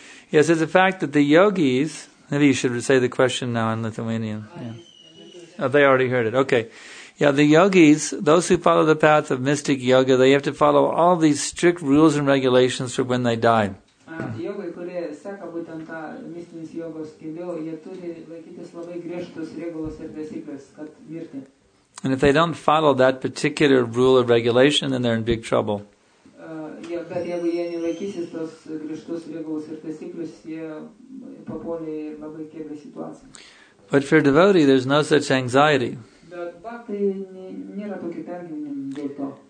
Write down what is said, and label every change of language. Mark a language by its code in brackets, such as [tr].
[en] Yes, it's a fact that the yogis, maybe you should say the question now in Lithuanian. Yeah. Oh, they already heard it. Okay. Yeah, the yogis, those who follow the path of mystic yoga, they have to follow all these strict rules and regulations for when they die. [lt] Yogai, kurie seka būtent tą mistinis jogos keliu, jie turi laikytis labai griežtus regulos ir taisyklės, kad mirti. [en] And if they don't follow that particular rule or regulation, then they're in big trouble. [lt] Bet jeigu jie nelaikysis tos griežtus regulos ir taisyklės, jie papuolė į labai keblią situaciją. [en] But for a devotee, there's no such anxiety. [lt] Bet bhakti nėra tokio pergyvenimo dėl to.